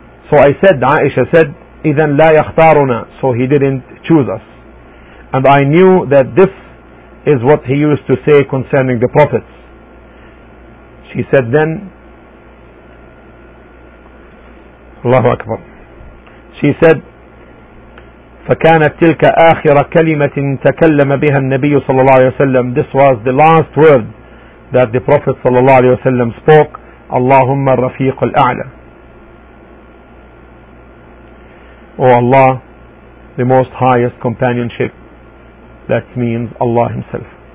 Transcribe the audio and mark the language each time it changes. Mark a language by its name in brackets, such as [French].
[English] So I said, Aisha said, [Arabic] إِذَنْ لَا يَخْتَارُنَا, [English] so he didn't choose us. And I knew that this is what he used to say concerning the prophets. She said then, Allahu Akbar. She said, [Arabic] فَكَانَتْ تِلْكَ آخِرَ كَلِمَةٍ تَكَلَّمَ بِهَا النَّبِيُّ صَلَى اللَّهُ عَلَيْهِ وَسَلَّمَ. [English] This was the last word that the Prophet صلى الله عليه وسلم spoke, [Arabic] اللهم الرفيق الأعلى. [English] O Allah, the most highest companionship, that means Allah Himself.